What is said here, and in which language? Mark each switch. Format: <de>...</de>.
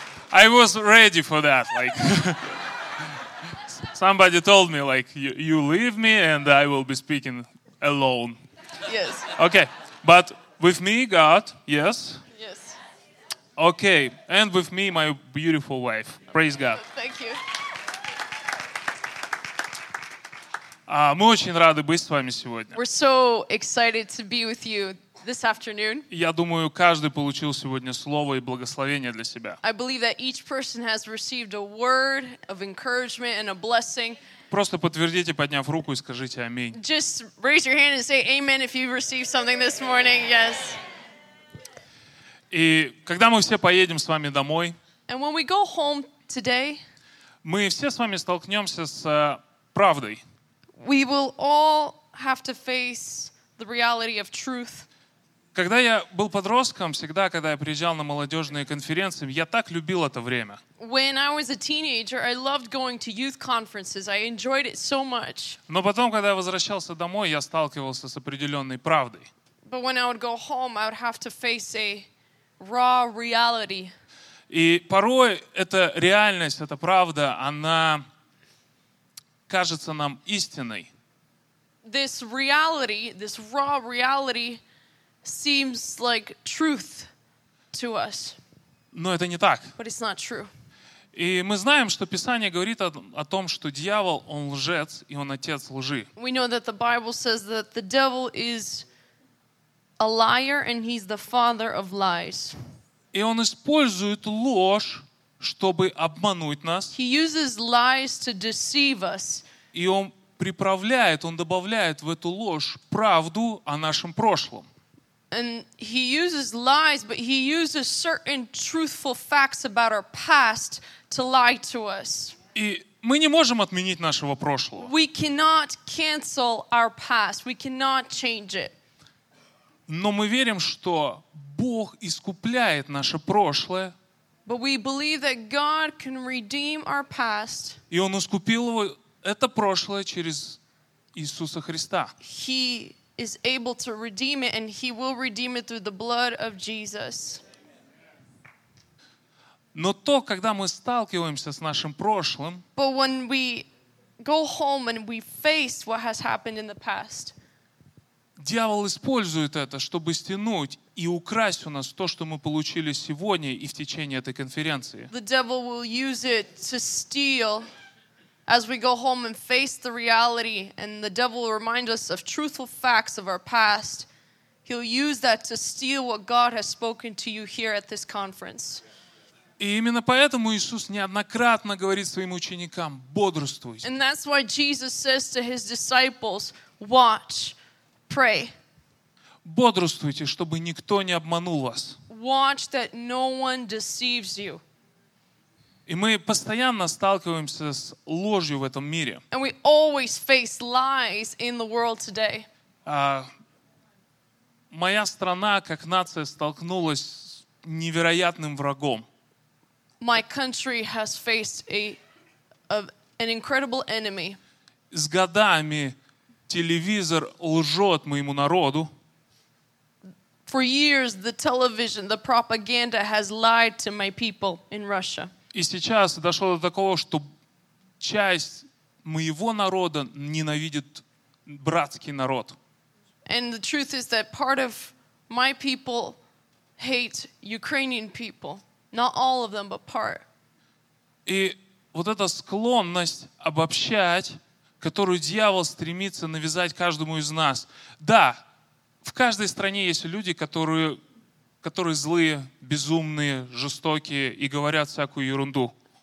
<en>I was ready for that. Like somebody told me, like, you leave me and I will be speaking alone. Yes. Okay. But with me, God, yes? Yes. Okay. And with me, my beautiful wife. Praise God. Thank you.</en> <ru>Мы очень рады быть с вами сегодня.</ru> <en>We're so excited to be with you this afternoon.</en> <ru>Я думаю, каждый получил сегодня слово и благословение для себя.</ru> <en>I believe that each person has received a word of encouragement and a blessing.</en> <ru>Просто подтвердите, подняв руку, и скажите аминь.</ru> <en>Just raise your hand and say amen if you received something this morning. Yes.</en> <ru>И когда мы все поедем с вами домой,</ru> <en>and when we go home today,</en> <ru>мы все с вами столкнемся с правдой.</ru> <en>We will all have to face the reality of truth.</en> <ru>Когда я был подростком, всегда, когда я приезжал на молодежные конференции, я так любил это время.</ru> <en>When I was a teenager, I loved going to youth conferences. I enjoyed it so much.</en> <ru>Но потом, когда я возвращался домой, я сталкивался с определенной правдой.</ru> <en>But when I would go home, I would have to face a raw reality.</en> <ru>И порой эта реальность, эта правда, она кажется нам истиной.</ru> <en>This reality, this raw reality, seems like truth to us.</en> <ru>Но это не так.</ru> <en>But it's not true.</en> <ru>И мы знаем, что Писание говорит о том, что дьявол, он лжец, и он отец лжи.</ru> <en>We know that the Bible says that the devil is a liar and he's the father of lies.</en> <ru>И он использует ложь, чтобы обмануть нас.</ru> <en>He uses lies to deceive us.</en> <ru>И он приправляет, он добавляет в эту ложь правду о нашем прошлом.</ru> <en>And he uses lies, but he uses certain truthful facts about our past to lie to us.</en> <ru>И мы не можем отменить нашего прошлого.</ru> <en>We cannot cancel our past. We cannot change it.</en> <ru>Но мы верим, что Бог искупляет наше прошлое.</ru> <en>But we believe that God can redeem our past.</en> <ru>И он искупил его, это прошлое, через Иисуса Христа.</ru> <en>He is able to redeem it, and he will redeem it through the blood of Jesus.</en> <ru>Но то, когда мы сталкиваемся с нашим прошлым,</ru> <en>but when we go home and we face what has happened in the past,</en> <ru>дьявол использует это, чтобы стянуть и украсть у нас то, что мы получили сегодня и в течение этой конференции.</ru> <en>The devil will use it to steal as we go home and face the reality, and the devil will remind us of truthful facts of our past. He'll use that to steal what God has spoken to you here at this conference.</en> <ru>И именно поэтому Иисус неоднократно говорит своим ученикам: бодрствуйте.</ru> <en>And that's why Jesus says to his disciples, watch, pray.</en> <ru>Бодрствуйте, чтобы никто не обманул вас.</ru> <en>Watch that no one deceives you.</en> <ru>И мы постоянно сталкиваемся с ложью в этом мире.</ru> <en>And we always face lies in the world today.</en> <ru>Моя страна, как нация, столкнулась с невероятным врагом.</ru> <en>My country has faced an incredible enemy.</en> <ru>С годами телевизор лжет моему народу.</ru> <en>For years, the television, the propaganda has lied to my people in Russia.</en> <ru>И сейчас дошло до такого, что часть моего народа ненавидит братский народ.</ru> <en>And the truth is that part of my people hate Ukrainian people. Not all of them, but part.</en> <ru>И вот эта склонность обобщать, которую дьявол стремится навязать каждому из нас. Да, в каждой стране есть люди, которые злые, безумные, жестокие и говорят всякую ерунду.</ru>